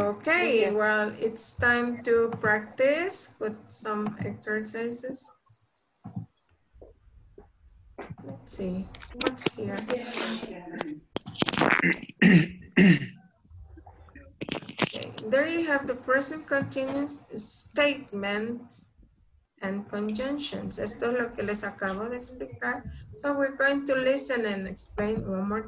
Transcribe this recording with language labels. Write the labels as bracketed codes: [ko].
[en] Okay, well, it's time to practice with some exercises. Let's see. What's here? Okay. There you have the present continuous statement and conjunctions. [es] Esto es lo que les acabo de explicar. [en] So we're going to listen and explain one more time.